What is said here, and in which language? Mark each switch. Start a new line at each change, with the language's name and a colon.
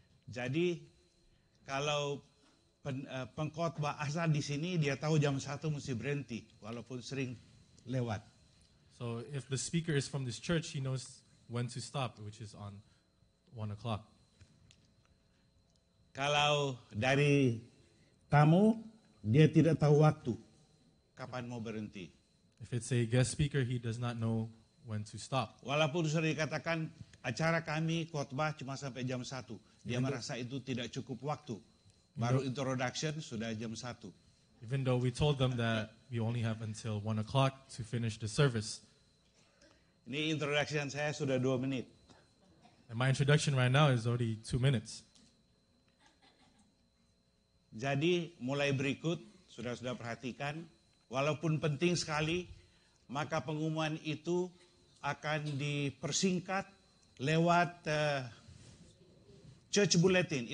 Indonesian: Jadi kalau pengkhotbah asal di sini, dia tahu jam 1 mesti berhenti walaupun sering lewat.
English: So if the speaker is from this church, he knows when to stop, which is on 1 o'clock.
Indonesian: Kalau dari tamu, dia tidak tahu waktu kapan mau berhenti.
English: If it's a guest speaker, he does not know when to stop.
Indonesian: Walaupun sudah dikatakan acara kami khotbah cuma sampai jam 1, dia merasa itu tidak cukup waktu. Baru introduction sudah jam 1.
English: Even though we told them that we only have until 1 o'clock to finish the service.
Indonesian: Ini introduction saya sudah 2 menit.
English: And my introduction right now is already 2 minutes.
Indonesian: Jadi mulai berikut, sudah perhatikan, walaupun penting sekali, maka pengumuman itu akan dipersingkat lewat church bulletin.